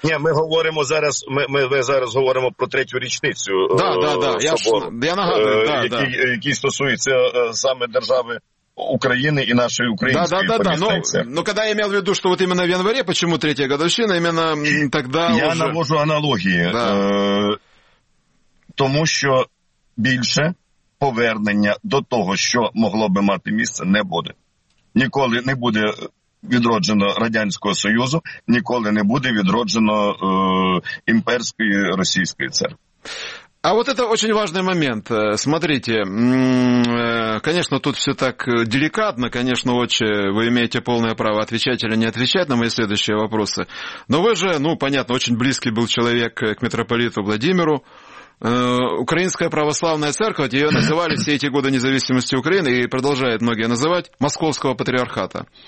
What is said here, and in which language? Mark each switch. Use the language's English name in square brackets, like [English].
[Ukrainian] Ні, ми зараз говоримо про третю річницю собору. Да. Я нагадую, Який стосується саме держави [Russian] Украины и нашей украинской поместницы. Да. Но когда я имел в виду, что вот именно в январе, почему третья годовщина, именно и тогда я уже... Я навожу аналогии. Да. [Ukrainian] Тому що більше повернення до того, що могло би мати місце, не буде. Ніколи не буде відроджено Радянського Союзу, ніколи не буде відроджено імперської російської церкви. [Russian] А вот это очень важный момент. Смотрите, конечно, тут все так деликатно, конечно, отче, вы имеете полное право отвечать или не отвечать на мои следующие вопросы. Но вы же, понятно, очень близкий был человек к митрополиту Владимиру. Украинская православная церковь, ее называли все эти годы независимости Украины и продолжают многие называть Московского патриархата.